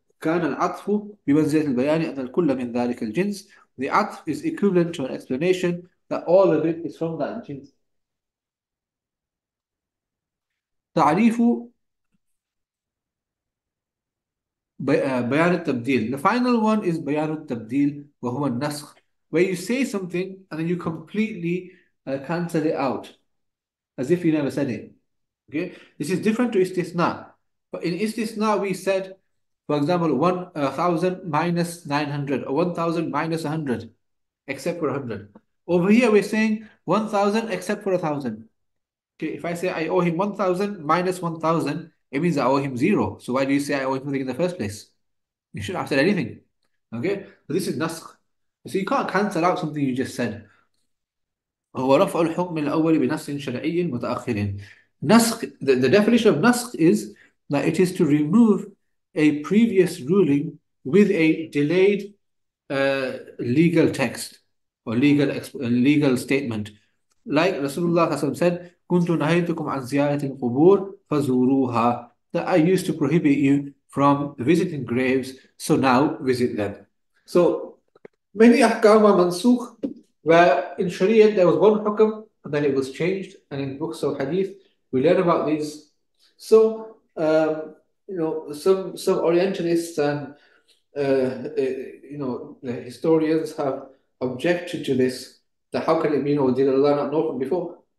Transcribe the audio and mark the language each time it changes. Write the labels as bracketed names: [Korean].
[Arabic] كان العطف بمنزلة البيان أن الكل من ذلك الجنس. [English] The عطف is equivalent to an explanation that all of it is from that genus. [Arabic] تعريف بيان التبديل. [English] The final one is [Arabic] بيان التبديل وهو النسخ. [English] Where you say something and then you completely cancel it out as if you never said it. Okay, this is different to istisna. But in istisna, we said, for example, 1000 minus 900 or 1000 minus 100 except for 100. Over here, we're saying 1000 except for 1000. Okay, if I say I owe him 1000 minus 1000, it means I owe him zero. So why do you say I owe him something in the first place? You shouldn't have said anything. Okay, so this is nasq. So you can't cancel out something you just said. [Arabic] هو رفع الحكم الأول بنص شرعي متأخر. [English] نسخ, the definition of نسخ is that it is to remove a previous ruling with a delayed legal text or legal statement. Like Rasulullah said, [Arabic] كنت نهيتكم عن زيارة القبور فزوروها. [English] That I used to prohibit you from visiting graves, so now visit them. So many ahkam are mansukh, where in Sharia there was one hukam and then it was changed, and in books of hadith we learn about these. So you know, some orientalists and you know, the historians have objected to this, that how can it be, you know, did Allah not know from before?